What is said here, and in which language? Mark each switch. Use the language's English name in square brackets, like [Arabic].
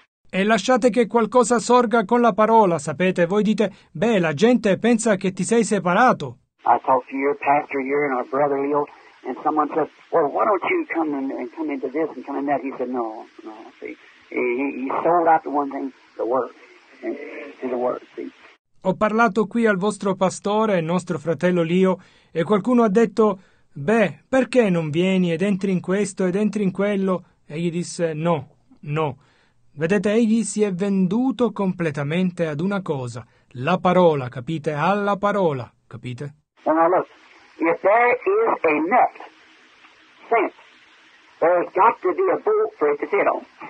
[Italian] E lasciate che qualcosa sorga con la parola, sapete. Voi dite, beh, la gente pensa che ti sei separato. [English] I talked to your pastor here and our brother Leo, and someone said, well, why don't you come into this and come in that? He said, no, see. He sold out the one thing, the Word, to the Word, see. [Italian] Ho parlato qui al vostro pastore, nostro fratello Leo, e qualcuno ha detto, beh, perché non vieni ed entri in questo ed entri in quello? E gli disse, no. Vedete, egli si è venduto completamente ad una cosa, la parola, capite? Alla parola, capite? [English] Now look, if there is a net sent, there's got to be a boat for it to fit on.